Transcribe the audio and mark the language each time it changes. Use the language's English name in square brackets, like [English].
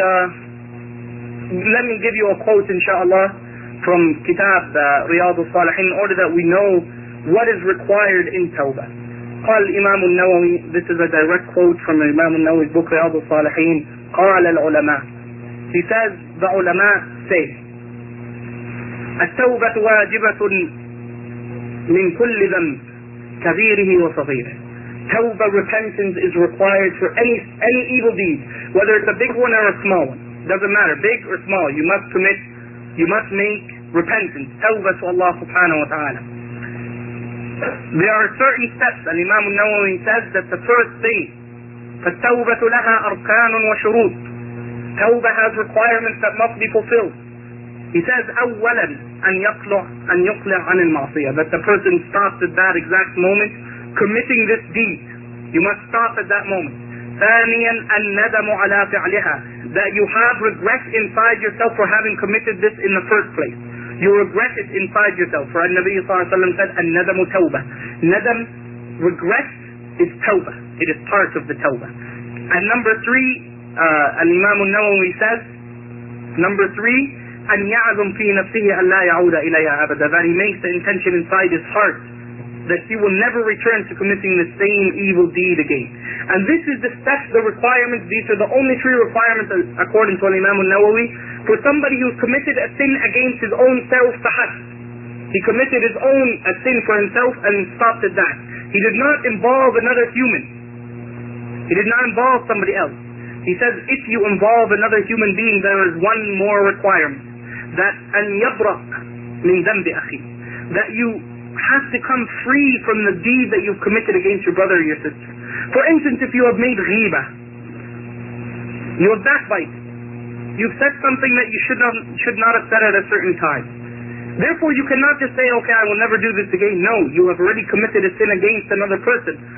[English] Let me give you a quote, inshaAllah, from Kitab Riyadu Salihin, in order that we know what is required in Tawbah. [Arabic] قال الإمام النووي, [English] this is a direct quote from Imam al-Nawawi's book Riyadu Salihin, [Arabic] قال العلماء. [English] He says, the ulama say, [Arabic] التوبة واجبة من كل ذنب كبيره وصغيره. [English] Tawbah, repentance, is required for any evil deed, whether it's a big one or a small one. Doesn't matter, big or small, you must commit, you must make repentance. Tawbah to Allah subhanahu wa ta'ala. There are certain steps, and Imam al-Nawawi says that the first thing, [Arabic] فالتوبة لها أركان وشروط. [English] Tawbah has requirements that must be fulfilled. He says, [Arabic] أولاً أن يقلع عن المعصية. [English] That the person stops at that exact moment committing this deed. You must stop at that moment. [Arabic] ثانياً الندم على فعلها. [English] That you have regret inside yourself for having committed this in the first place. You regret it inside yourself. For Al-Nabi صلى الله عليه وسلم said, [Arabic] الندم توبة. [English] Nadam, regret, is توبة. It is part of the توبة. And number three, [Arabic] الإمام النووي [English] says, number three, [Arabic] أن يعظم في نفسه أن لا يعود إليها أبدا. [English] That he makes the intention inside his heart that he will never return to committing the same evil deed again. And this is the step, the requirement, these are the only three requirements according to Imam al-Nawawi, for somebody who committed a sin against his own self, fahas. He committed his own a sin for himself and stopped at that. He did not involve another human. He did not involve somebody else. He says, if you involve another human being, there is one more requirement. [Arabic] That أن يبرق من ذنب أخي. [English] That you have to come free from the deed that you've committed against your brother or your sister. For instance, if you have made ghibah, you have backbite, You've said something that you should not have said at a certain time. Therefore, you cannot just say, okay, I will never do this again. No, you have already committed a sin against another person.